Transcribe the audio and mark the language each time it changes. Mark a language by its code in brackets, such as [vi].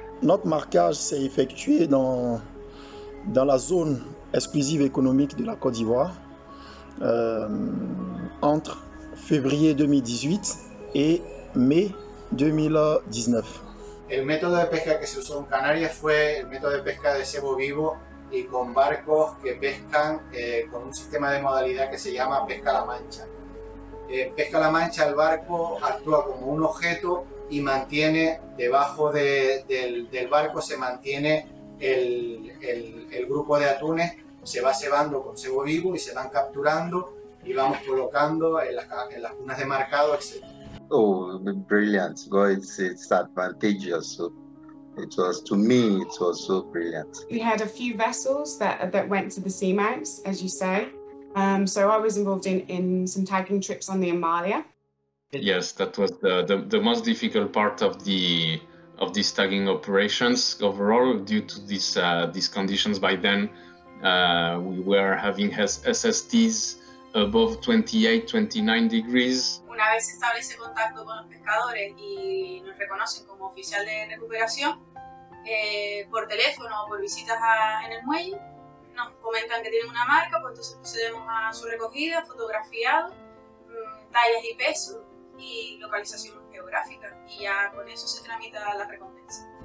[fr] Notre marquage s'est effectué dans la zone exclusive économique de la Côte d'Ivoire entre février 2018 et mai 2019. [es] El método de pesca que se usó en Canarias fue el método de pesca de cebo vivo y con barcos que pescan con un sistema de modalidad que se llama pesca a la mancha. Pesca a la mancha, el barco actúa como un objeto y mantiene debajo del barco, se mantiene el grupo de atunes, se va cebando con cebo vivo y se van capturando y vamos colocando en las cunas de marcado, etc. [en] Oh, brilliant. Well, it's advantageous. So it was, to me, it was so brilliant. We had a few vessels that went to the seamounts, as you say. So I was involved in some tagging trips on the Amalia. Yes, that was the most difficult part of these tagging operations overall, due to these conditions. By then, we were having SSTs above 28, 29 degrees. [es] Una vez se establece contacto con los pescadores y nos reconocen como oficial de recuperación, por teléfono o por visitas en el muelle, nos comentan que tienen una marca, pues entonces procedemos a su recogida, fotografiado, tallas y peso, y localización geográfica, y ya con eso se tramita la recompensa.